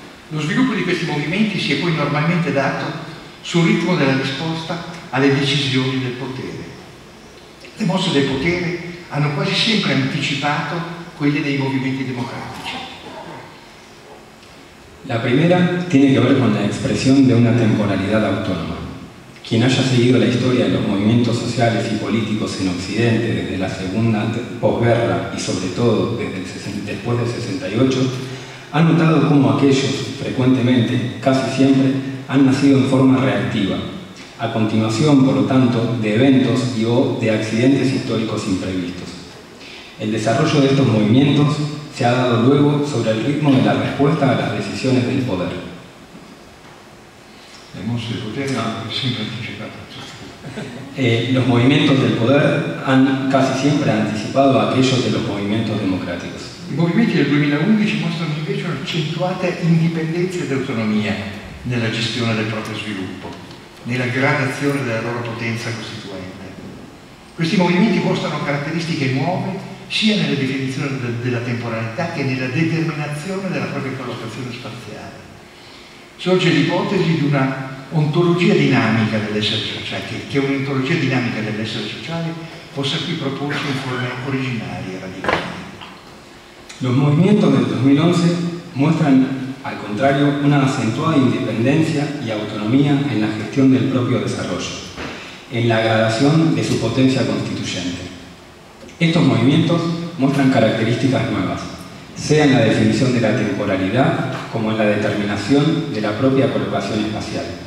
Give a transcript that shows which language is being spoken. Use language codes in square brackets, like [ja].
[it] Lo sviluppo di questi movimenti si è poi normalmente dato sul ritmo della risposta alle decisioni del potere. Le mosse del potere hanno quasi sempre anticipato quelle dei movimenti democratici. [es] La primera tiene que ver con la expresión de una temporalidad autónoma. Quien haya seguido la historia de los movimientos sociales y políticos en Occidente desde la segunda posguerra y sobre todo después del 68, ha notado cómo aquellos, frecuentemente, casi siempre, han nacido en forma reactiva, a continuación, por lo tanto, de eventos y o de accidentes históricos imprevistos. El desarrollo de estos movimientos se ha dato luego sobre [it] il ritmo della risposta [es] a las [it] decisioni del potere. Le mosse del potere hanno sempre anticipato. [es] Los movimientos del poder han casi siempre anticipato a aquellos de los movimientos democráticos. [it] I movimenti del 2011 mostrano invece un'accentuata indipendenza ed autonomia nella gestione del proprio sviluppo, nella gradazione della loro potenza costituente. Questi movimenti mostrano caratteristiche nuove sia nella definizione della temporalità che nella determinazione della propria collocazione spaziale. Sorge l'ipotesi di una ontologia dinamica dell'essere sociale, che un'ontologia dinamica dell'essere sociale possa qui proporsi in forme originarie e radicali. [es] Los movimientos del 2011 muestran, al contrario, una acentuada independencia y autonomía en la gestión del proprio desarrollo, en la gradación de su potencia constituyente. Estos movimientos muestran características nuevas, sea en la definición de la temporalidad como en la determinación de la propia colocación espacial.